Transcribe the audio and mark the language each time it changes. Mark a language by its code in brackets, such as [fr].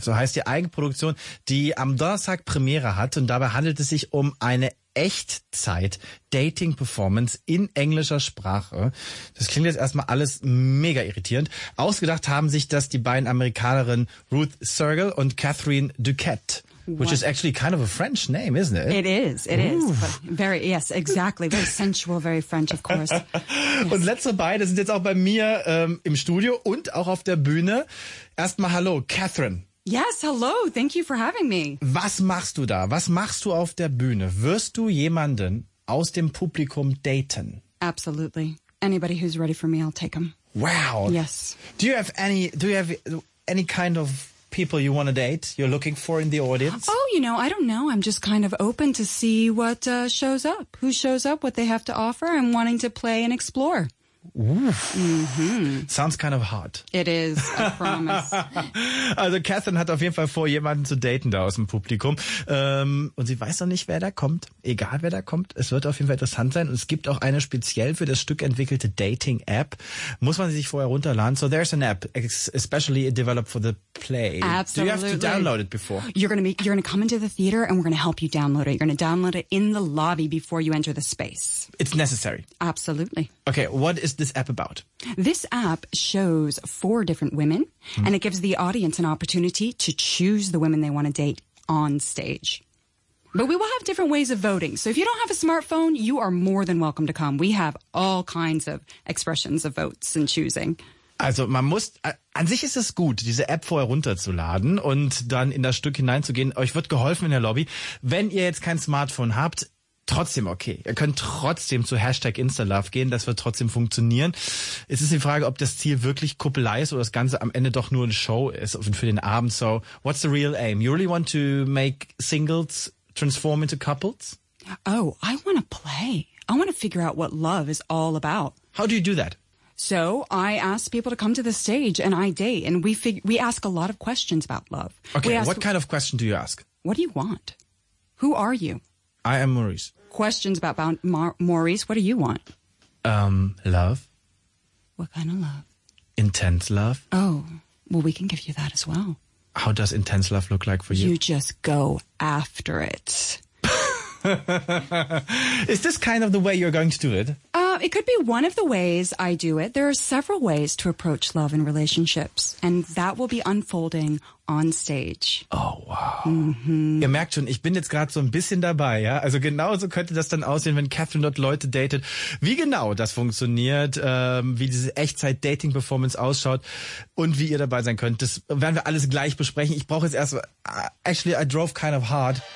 [de] So heißt die Eigenproduktion, die am Donnerstag Premiere hat. Und dabei handelt es sich um eine Echtzeit-Dating-Performance in englischer Sprache. Das klingt jetzt erstmal alles mega irritierend. Ausgedacht haben sich das die beiden Amerikanerinnen Ruth Sergel und Catherine Duquette. [en] Which is actually kind of a French name, isn't it? It is, it is. Very, yes, exactly. Very sensual, very French, of course. Yes. [de] Und letztere beide sind jetzt auch bei mir im Studio und auch auf der Bühne. Erstmal hallo, Catherine. [en] Yes, hello, thank you for having me. [de] Was machst du da? Was machst du auf der Bühne? Wirst du jemanden aus dem Publikum daten? [en] Absolutely. Anybody who's ready for me, I'll take them. Wow. Yes. Do you have any kind of people you want to date, you're looking for in the audience? Oh, you know, I don't know. I'm just kind of open to see what shows up, who shows up, what they have to offer. I'm wanting to play and explore. Oof. Mm-hmm. Sounds kind of hot. It is, I promise. [de] Also Catherine hat auf jeden Fall vor, jemanden zu daten da aus dem Publikum. Und sie weiß noch nicht, wer da kommt. Egal, wer da kommt, es wird auf jeden Fall interessant sein. Und es gibt auch eine speziell für das Stück entwickelte Dating-App. Muss man sich vorher runterladen. [en] So there's an app, especially developed for the play. Absolutely. Do you have to download it before? You're gonna come into the theater and we're gonna help you download it. You're gonna download it in the lobby before you enter the space. It's necessary. Absolutely. Okay, what is this app about? This app shows 4 different women, and it gives the audience an opportunity to choose the women they want to date on stage. But we will have different ways of voting. So if you don't have a smartphone, you are more than welcome to come. We have all kinds of expressions of votes and choosing. [de] Also man muss, an sich ist es gut, diese App vorher runterzuladen und dann in das Stück hineinzugehen. Euch wird geholfen in der Lobby. Wenn ihr jetzt kein Smartphone habt, trotzdem okay. Ihr könnt trotzdem zu Hashtag InstaLove gehen, das wird trotzdem funktionieren. Es ist die Frage, ob das Ziel wirklich Kuppelei ist oder das Ganze am Ende doch nur eine Show ist für den Abend. [en] So, what's the real aim? You really want to make singles transform into couples? Oh, I want to play. I want to figure out what love is all about. How do you do that? So, I ask people to come to the stage and I date and we ask a lot of questions about love. Okay, what kind of question do you ask? What do you want? Who are you? I am Maurice. Questions about Maurice, what do you want? Love. What kind of love? Intense love. Oh, well, we can give you that as well. How does intense love look like for you? You just go after it. Is this kind of the way you're going to do it? It could be one of the ways I do it. There are several ways to approach love in relationships, and that will be unfolding on stage. Oh, wow. Mm-hmm. [de] Ihr merkt schon, ich bin jetzt gerade so ein bisschen dabei, ja? Also genauso könnte das dann aussehen, wenn Catherine dort Leute datet. Wie genau das funktioniert, wie diese Echtzeit-Dating-Performance ausschaut und wie ihr dabei sein könnt, das werden wir alles gleich besprechen. Ich brauche jetzt erstmal, [en] actually, I drove kind of hard.